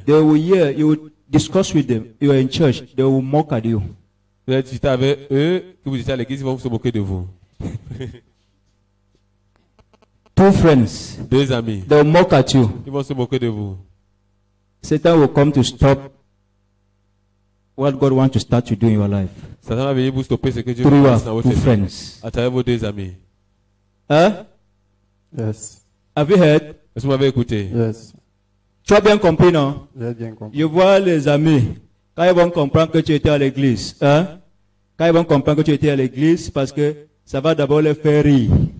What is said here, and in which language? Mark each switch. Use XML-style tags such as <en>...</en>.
<en>They will hear, you will discuss with them. You are in church. They will mock at you.</en> <fr>Vous êtes juste avec eux, que vous étiez à l'église, ils vont se moquer de vous.</fr> <en>Two friends.</en> <fr>Deux amis.</fr> <en>They will mock at you.</en> <fr>Ils vont se moquer de vous.</fr> <en>Satan will come to stop what God wants to start to do in your life.</en> <fr>Satan va venir vous stopper ce que Dieu veut faire dans votre vie. Friends. À travers vos deux amis. Hein?</fr> <en>Yes. Have you heard?</en> <fr>Est-ce que vous m'avez écouté?</fr> <en>Yes.</en> <fr>Tu as bien compris, non? J'ai bien compris. Je vois les amis. Quand ils vont comprendre que tu étais à l'église, hein? Quand ils vont comprendre que tu étais à l'église, parce que ça va d'abord les faire rire.</fr>